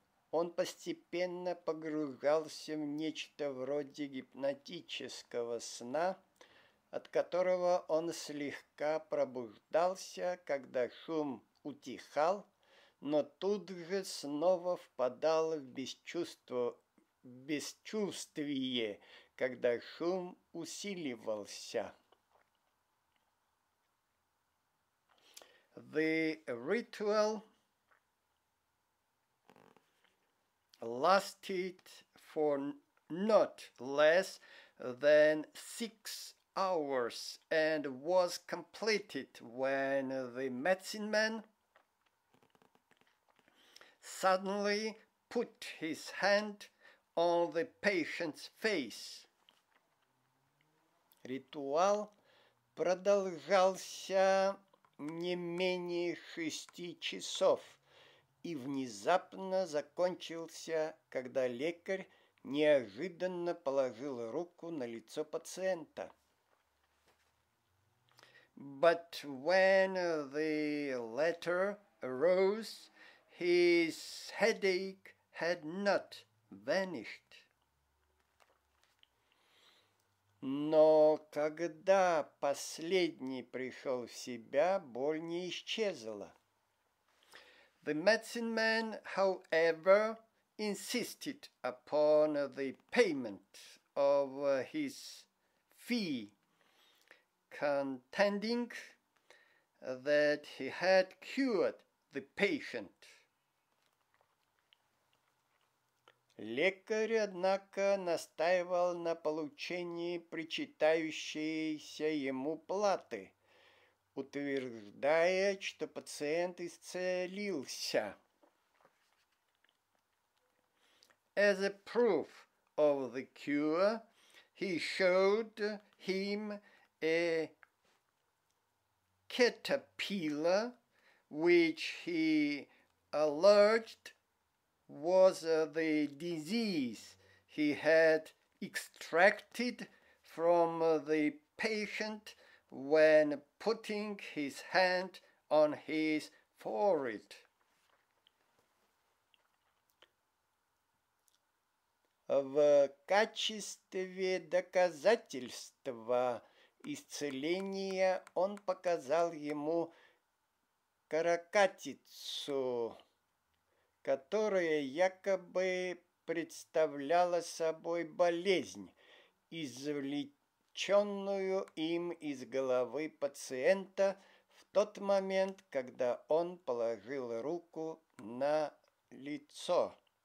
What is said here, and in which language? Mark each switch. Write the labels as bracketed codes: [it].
[ru] Он постепенно погружался в нечто вроде гипнотического сна, от которого он слегка пробуждался, когда шум утихал, но тут же снова впадал в бесчувствие, когда шум усиливался. [en] The ritual lasted for not less than 6 hours and was completed when the medicine man suddenly put his hand on the patient's face. [ru] Ритуал продолжался не менее 6 часов и внезапно закончился, когда лекарь неожиданно положил руку на лицо пациента. [en] But when the latter arose, his headache had not vanished. [ru] Но когда последний пришел в себя, боль не исчезла. [en] The medicine man, however, insisted upon the payment of his fee, contending that he had cured the patient. [ru] Лекарь, однако, настаивал на получении причитающейся ему платы, утверждая, что пациент исцелился. [en] As a proof of the cure, he showed him a caterpillar, which he alleged was the disease he had extracted from the patient when putting his hand on his forehead. [ru] в качестве доказательства исцеления он показал ему каракатицу, которая якобы представляла собой болезнь, извлеченную им из головы пациента в тот момент, когда он положил руку на лицо.